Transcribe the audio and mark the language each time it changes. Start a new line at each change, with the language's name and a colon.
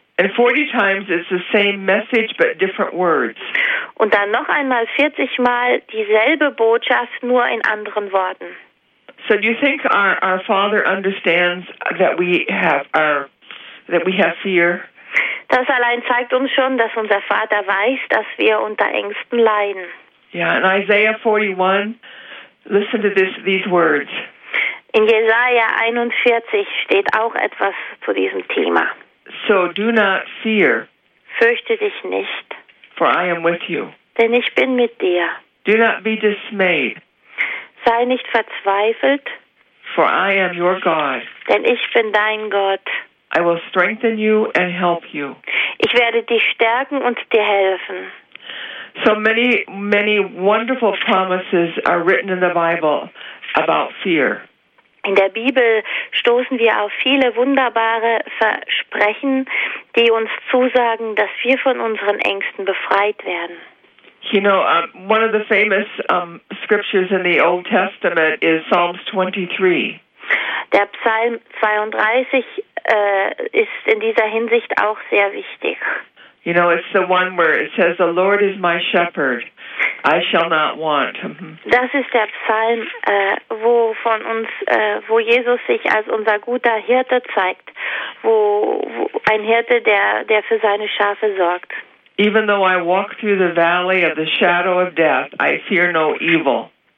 English: And 40 times it's the same message but different words.
German: Und dann noch einmal 40 Mal dieselbe Botschaft, nur in anderen Worten.
English: So do you think our Father understands that we have fear?
German: Das allein zeigt uns schon, dass unser Vater weiß, dass wir unter Ängsten leiden.
English: Yeah, in Isaiah 41, listen to these words.
German: In Jesaja 41 steht auch etwas zu diesem Thema.
English: So do not fear.
German: Fürchte dich nicht.
English: For I am with you.
German: Denn ich bin mit dir.
English: Do not be dismayed.
German: Sei nicht verzweifelt.
English: For I am your God.
German: Denn ich bin dein Gott.
English: I will strengthen you and help you.
German: Ich werde dich stärken und dir helfen.
English: So many, many wonderful promises are written in the Bible about fear.
German: In der Bibel stoßen wir auf viele wunderbare Versprechen, die uns zusagen, dass wir von unseren Ängsten befreit werden.
English: You know, one of the famous scriptures in the Old Testament is Psalms 23.
German: Der Psalm 32 ist in dieser Hinsicht auch sehr wichtig.
English: You know, it's the one where it says, "The Lord is my shepherd; I shall not want."
German: Das ist der Psalm, wo von uns, wo Jesus sich als unser guter Hirte zeigt, wo ein Hirte, der für seine Schafe sorgt.
English: Even though I walk through the valley of the shadow of death, I fear no evil.